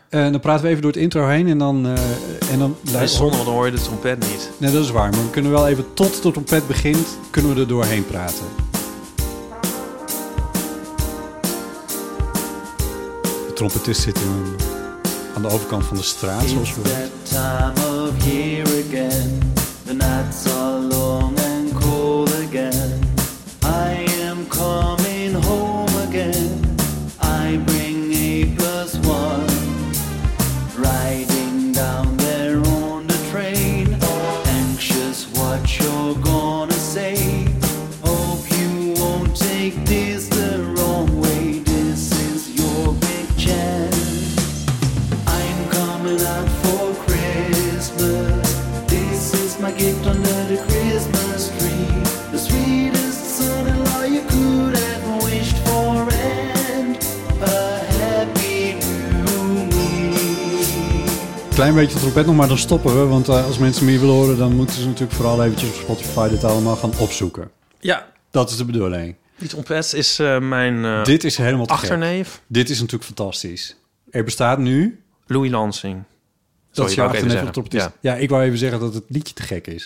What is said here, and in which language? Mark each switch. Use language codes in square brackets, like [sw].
[nl] En dan praten we even door het intro heen en dan... Zonder, want dan hoor je de trompet niet. Nee, dat is waar. Maar we kunnen wel even tot de trompet begint, kunnen we er doorheen praten. De trompetist zit aan de overkant van de straat, zoals we weten. [en] It's that time of year again. The nights are long and cold again. I am coming home again. I bring a plus one. Riding down there on the train, anxious what you're gonna say. Hope you won't take this the wrong way. This is your big chance. I'm coming out for Christmas. This is my gift under the Christmas tree. The sweetest son-in-law you could have wished for, and a happy new me. [nl] Klein beetje trompet nog, maar dan stoppen we. Want als mensen meer willen horen, dan moeten ze natuurlijk vooral eventjes op Spotify dit allemaal gaan opzoeken. Ja. Dat is de bedoeling. Die trompet is mijn dit is helemaal achterneef. Dit is natuurlijk fantastisch. Er bestaat nu... Louis Lansing. Dat je achter net op het is. Ja. Ja, ik wou even zeggen dat het liedje te gek is.